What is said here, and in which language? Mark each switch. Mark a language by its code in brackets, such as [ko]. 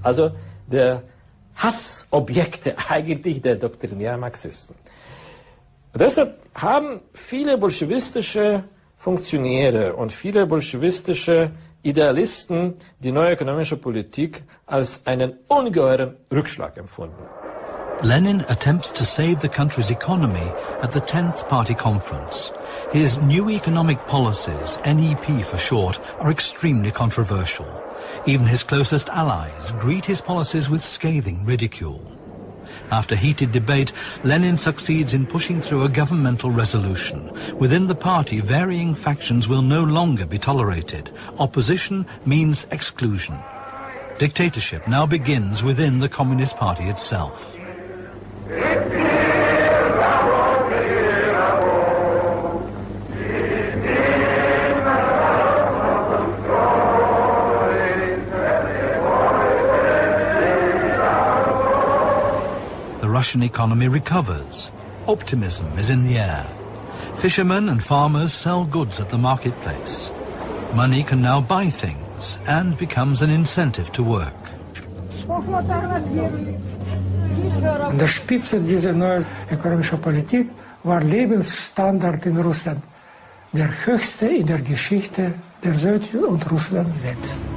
[de] Also der Hassobjekte eigentlich der doktrinären Marxisten. Deshalb haben viele bolschewistische Funktionäre und viele bolschewistische Idealisten die neue ökonomische Politik als einen ungeheuren Rückschlag empfunden. [en] Lenin attempts to save the country's economy at the 10th Party Conference. His new economic policies, NEP for short, are extremely controversial. Even his closest allies greet his policies with scathing ridicule. After heated debate, Lenin succeeds in pushing through a governmental resolution. Within the party, varying factions will no longer be tolerated. Opposition means exclusion. Dictatorship now begins within the Communist Party itself. The Russian economy recovers. Optimism is in the air. Fishermen and farmers sell goods at the marketplace. Money can now buy things and becomes an incentive to work. [de] An der Spitze dieser neuen ökonomischen Politik war Lebensstandard in Russland, der höchste in der Geschichte der Sowjetunion und Russland selbst.